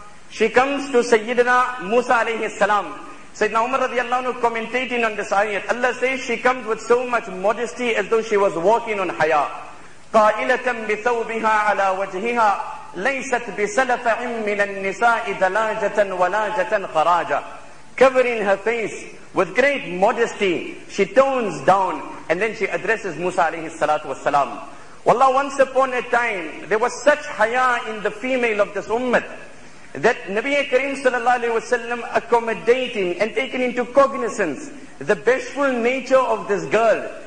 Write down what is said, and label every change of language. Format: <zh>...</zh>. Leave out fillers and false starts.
<en>She comes to Sayyidina Musa عليه السلام. Sayyidina Umar رضي الله عنه commentating on this ayat. Allah says she comes with so much modesty as though she was walking on haya.</en> <ar>قائلة بثوبها على وجهها ليست بسلفع من النساء دلاجة ولاجة خراجة.</ar> <en>Covering her face with great modesty, she tones down and then she addresses Musa alayhi salatu wassalam. Wallah, once upon a time, there was such haya in the female of this ummah that Nabi Kareem sallallahu alayhi wasallam accommodating and taking into cognizance the bashful nature of this girl.</en>